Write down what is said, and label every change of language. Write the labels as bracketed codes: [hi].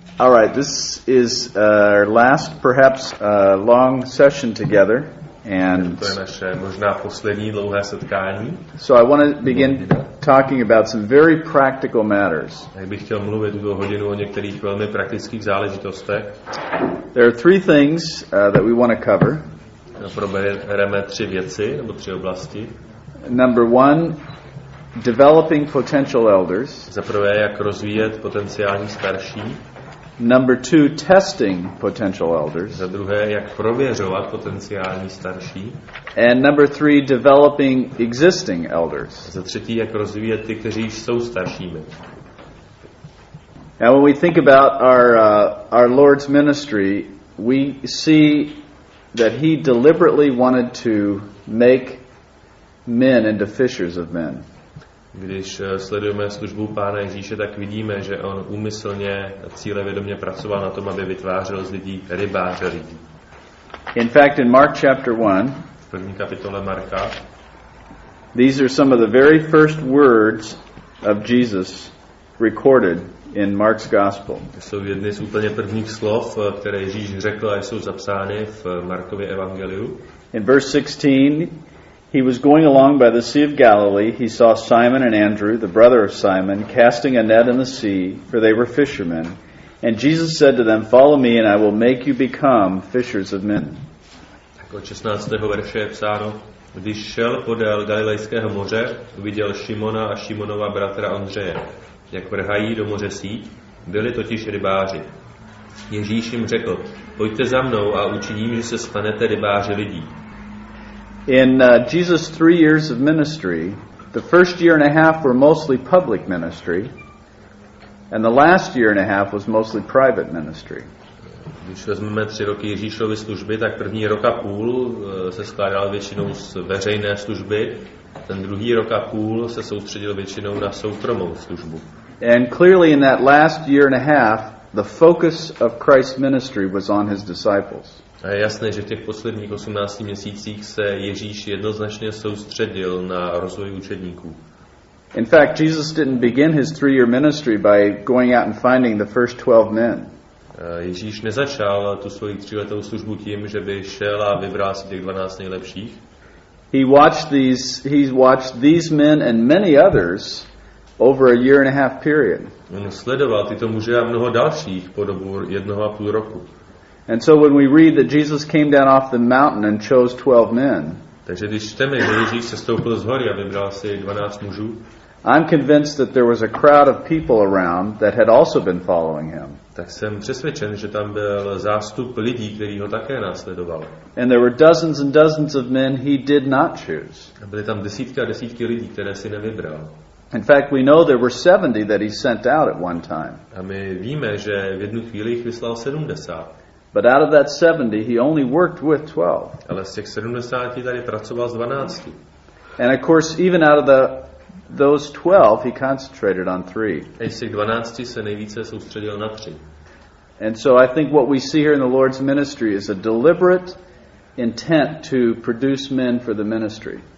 [en] All right, this is our last, perhaps, long session together. And so I want to begin talking about some very practical matters. There are three things that we want to cover. [cs] Probereme tři věci, nebo tři oblasti. [en] Number one, developing potential elders. [cs] Za prvé, jak rozvíjet potenciální starší. [en] Number two, testing potential elders. [cs] Za druhé, jak prověřovat potenciální starší. [en] And number three, developing existing elders. [cs] Za třetí, jak rozvíjet ty, kteří již jsou staršími. [en] Now when we think about our Lord's ministry, we see that he deliberately wanted to make men into fishers of men. [cs] Když sledujeme službu Pána Ježíše, tak vidíme, že on úmyslně a cílevědomě pracoval na tom, aby vytvářel z lidí rybáře lidí. [en] In fact, in Mark chapter 1, [cs] v první kapitole Marka, [en] these are some of the very first words of Jesus recorded in Mark's gospel. [cs] To jsou jedny z úplně prvních slov, které Ježíš řekl a jsou zapsány v Markově evangeliu. [en] In verse 16, he was going along by the Sea of Galilee. He saw Simon and Andrew, the brother of Simon, casting a net in the sea, for they were fishermen. And Jesus said to them, follow me, and I will make you become fishers of men. [cs] Tak od 16. verše je psáno, když šel podél Galilejského moře, viděl Šimona a Šimonova bratra Ondřeje, jak vrhají do moře síť, byli totiž rybáři. Ježíš jim řekl, pojďte za mnou a učiním, že se stanete rybáři lidí. [en] In Jesus' 3 years of ministry, the first year and a half were mostly public ministry, and the last year and a half was mostly private ministry. [cs] Když vezmeme 3 roky Ježíšovy služby, tak první rok a půl se skládal většinou z veřejné služby, ten druhý rok a půl se soustředil většinou na soukromou službu. [en] And clearly in that last year and a half, the focus of Christ's ministry was on his disciples. [cs] A je jasné, že v těch posledních 18 měsících se Ježíš jednoznačně soustředil na rozvoj učedníků. [en] In fact, Jesus didn't begin his 3 year ministry by going out and finding the first 12 men. [cs] Ježíš nezačal tu svoji tříletou službu tím, že by šel a vybral si těch 12 nejlepších. [en] He watched these men and many others over a year and a half period. [cs] On sledoval tyto muže a mnoho dalších po dobu jednoho a půl roku. [en] And so when we read that Jesus came down off the mountain and chose 12 men. [cs] Takže když čteme, že Ježíš sestoupil z hory a vybral si 12 mužů. [en] I'm convinced that there was a crowd of people around that had also been following him. [cs] Tak jsem přesvědčen, že tam byl zástup lidí, kteří ho také následovali. [en] And there were dozens and dozens of men he did not choose. [cs] A byly tam desítky a desítky lidí, které si nevybral. [en] In fact, we know there were 70 that he sent out at one time. [cs] A my víme, že v jednu chvíli jich vyslal 70. [en] But out of that 70, he only worked with 12. [cs] Ale z těch 70 tady pracoval s 12. [en] And of course, even out of those 12, he concentrated on 3. [cs] A z těch 12 se nejvíce soustředil na 3. [en] And so I think what we see here in the Lord's ministry is a deliberate intent to produce men for the ministry.